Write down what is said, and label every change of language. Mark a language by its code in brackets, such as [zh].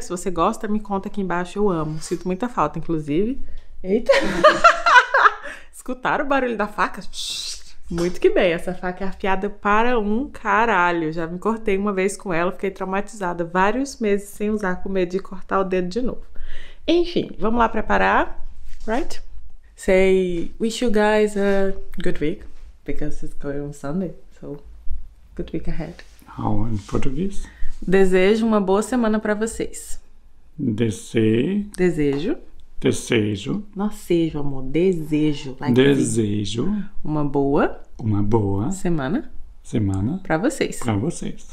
[pt] Se você gosta, me conta aqui embaixo, eu amo, sinto muita falta, inclusive. Eita! Escutaram o barulho da faca? Muito que bem, essa faca é afiada para um caralho, já me cortei uma vez com ela, fiquei traumatizada vários meses sem usar, com medo de cortar o dedo de novo. Enfim, vamos lá preparar, right? [en] Say, wish you guys a good week, because it's going on Sunday, so Good week ahead. How in Portuguese? [pt] Desejo uma boa semana para vocês. Desejo. Nossejo, amor. Desejo. [en] Like desejo. [pt] Uma boa. Uma boa. Semana. Semana. Para vocês. Para vocês.